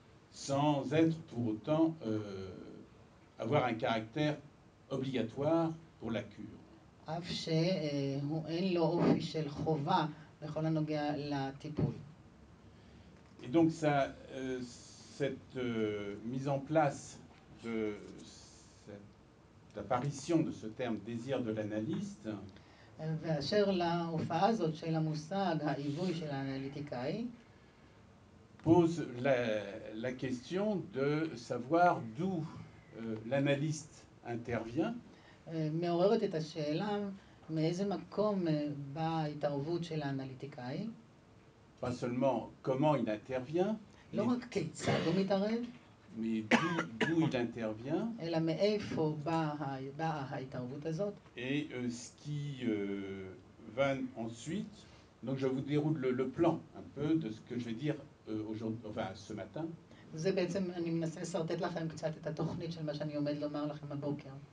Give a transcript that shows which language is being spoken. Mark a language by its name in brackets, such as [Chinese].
[French] Sans être pour autant avoir un caractère obligatoire. Pour la cure. [Hebrew] אף שהוא אין לו אופי של חובה בכל הנוגע לטיפול. [French] Et donc ça, cette mise en place de cette apparition de ce terme désir de l'analyste. [Hebrew] ואשר להופעה הזאת של המושג העיווי של האנליטיקאי. [French] Pose la question de savoir d'où l'analyste intervient. [Hebrew] מעוררת את השאלה מאיזה מקום באה ההתערבות של האנליטיקאי. [French] Pas seulement comment il intervient. [Hebrew] לא רק כיצד הוא מתערב. [French] Mais d'où il intervient. [Hebrew] אלא מאיפה באה ההתערבות הזאת. [French] Et ce qui va ensuite. Donc je vous déroule le plan un peu de ce que je vais dire aujourd'hui, enfin ce matin. [Hebrew] זה בעצם אני מנסה לסרטט לכם קצת את התוכנית של מה שאני עומד לומר לכם הבוקר.